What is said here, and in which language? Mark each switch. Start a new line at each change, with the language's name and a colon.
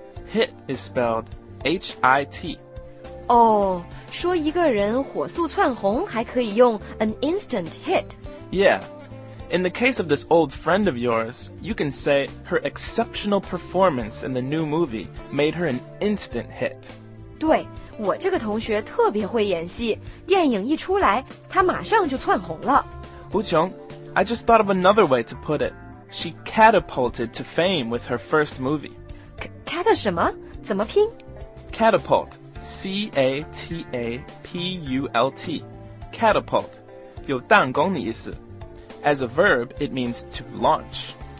English: Hit is spelled H-I-T.
Chinese: 哦，说一个人火速窜红还可以用
English: an instant hit. Yeah. In the case of this old friend of yours, you can say her exceptional performance in the new movie made her an instant hit.
Chinese: 对，我这个同学特别会演戏，电影一出来，她马上就窜红了。
English: 吴琼， I just thought of another way to put it. She catapulted to fame with her first movie.
Chinese: Cat 什么？怎么拼？
English: Catapult, C-A-T-A-P-U-L-T, catapult,
Chinese: 有弹弓的意思。
English: As a verb, it means to launch.